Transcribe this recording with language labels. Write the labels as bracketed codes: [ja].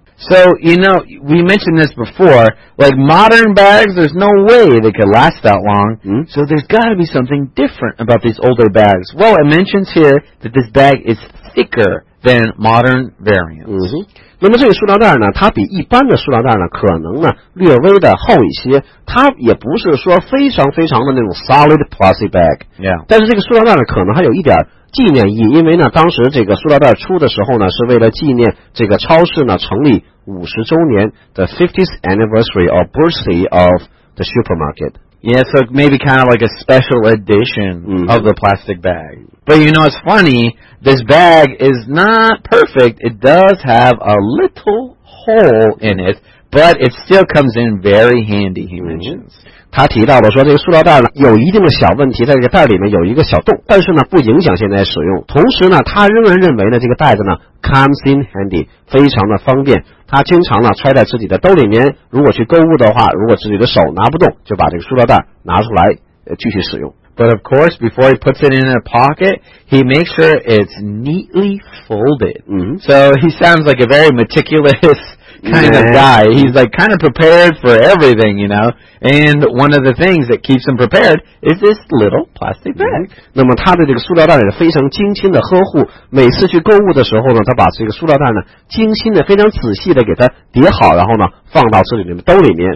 [en] So, you know, we mentioned this before, like modern bags, there's no way they could last that long. So there's got to be something different about these older bags. Well, it mentions here that this bag is thicker than modern variants. [zh] 那么这个塑料袋呢，它比一般的塑料袋呢，可能呢略微的厚一些。它也不是说非常非常的那种 solid plastic bag. [en] Yeah. [zh] 但是这个塑料袋呢，可能还有一点纪念意义，因为呢，当时这个塑料袋出的时候呢，是为了纪念这个超市呢成立50周年 ， [en] the 50th anniversary or birthday of the supermarket. Yeah, so maybe kind of like a special edition of the plastic bag. But you know, it's funny, this bag is not perfect. It does have a little hole in it, but it still comes in very handy, he mentions. [zh] 他提到了说这个塑料袋呢有一定的小问题，在这个袋里面有一个小洞，但是呢不影响现在使用。同时呢他仍然认为呢这个袋子呢 [en] comes in handy, [zh] 非常的方便。他经常呢揣在自己的兜里面，如果去购物的话，如果自己的手拿不动，就把这个塑料袋拿出来继续使用。 [en] But of course, before he puts it in a pocket, he makes sure it's neatly folded. So he sounds like a very meticulous kind of guy. He's like kind of prepared for everything, you know. And one of the things that keeps him prepared is this little plastic bag. [zh] 那么他的这个塑料袋呢非常精心的呵护，每次去购物的时候呢，他把这个塑料袋呢精心的非常仔细的给它叠好，然后呢放到自己的兜里面。